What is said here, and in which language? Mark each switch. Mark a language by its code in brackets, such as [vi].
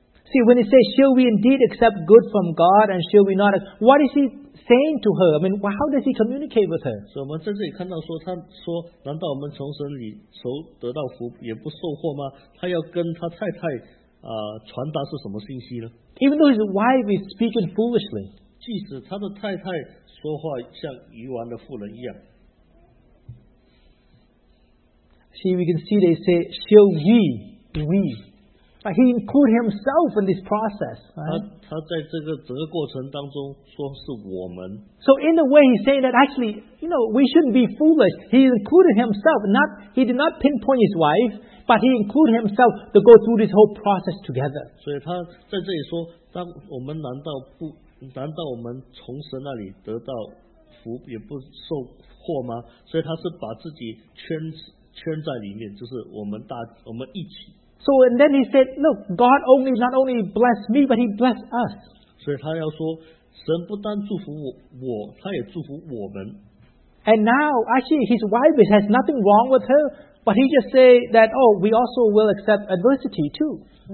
[en] See, when he says, shall we indeed accept good from God and shall we not, what is he saying to her? I mean, how does he communicate with her? [zh] So, 我们在这里看到说，他说, 难道我们从神里所得到福也不受祸吗? 他要跟他太太, 传达是什么信息呢? [en] Even though his wife is speaking foolishly, [zh] 即使他的太太说话像愚顽的妇人一样, [en] See, we can see they say, shall we, But he included himself in this process. Right? [zh] 他在这个整个过程当中说是我们。 [en] So in a way, he's saying that actually, you know, we shouldn't be foolish. He included himself. Not he did not pinpoint his wife, but he included himself to go through this whole process together. [zh] 所以他在这里说，当我们难道不难道我们从神那里得到福也不受祸吗？所以他是把自己圈在里面，就是我们一起。 [en] So and then he said, look, God only not only blessed me, but he blessed us. [zh] 所以他要说, 神不单祝福我, 他也祝福我们。 [en] And now, actually, his wife has nothing wrong with her, but he just say that, oh, we also will accept adversity too.